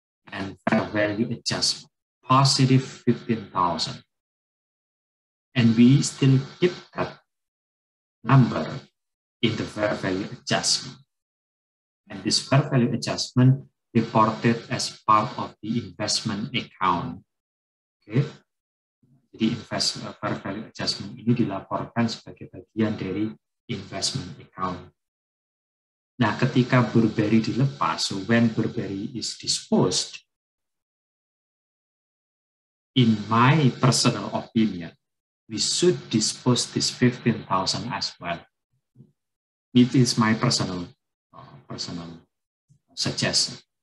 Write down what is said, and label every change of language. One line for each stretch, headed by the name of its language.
English: And fair value adjustment, positive 15,000. And we still keep that number in the fair value adjustment. And this fair value adjustment reported as part of the investment account, okay?
Indonesian: Jadi fair value adjustment ini dilaporkan sebagai bagian dari investment account. Nah, ketika Burberry dilepas,
English: so when Burberry is disposed, in my personal opinion, we should dispose this 15,000 as well. It is my personal suggestion.